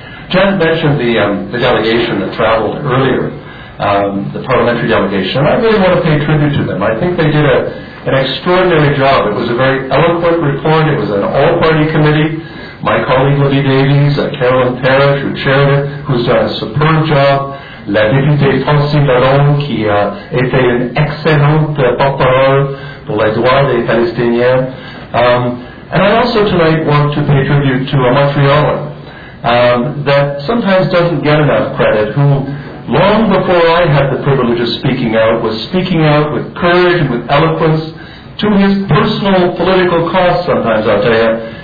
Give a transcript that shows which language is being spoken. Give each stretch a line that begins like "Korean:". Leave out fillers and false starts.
English: Janet mentioned the delegation that traveled earlier, the parliamentary delegation, and I really want to pay tribute to them. I think they did an extraordinary job. It was a very eloquent report. It was an all-party committee. My colleague, Libby Davies, Carolyn Parrish, who chaired it, who's done a superb job.
French: La députée Francine Lalonde, qui a été une excellente porte-parole pour les droits des Palestiniens.
English: And I also tonight want to pay tribute to a Montrealer that sometimes doesn't get enough credit, who long before I had the privilege of speaking out, was speaking out with courage and with eloquence to his personal political cost sometimes, I'll tell you.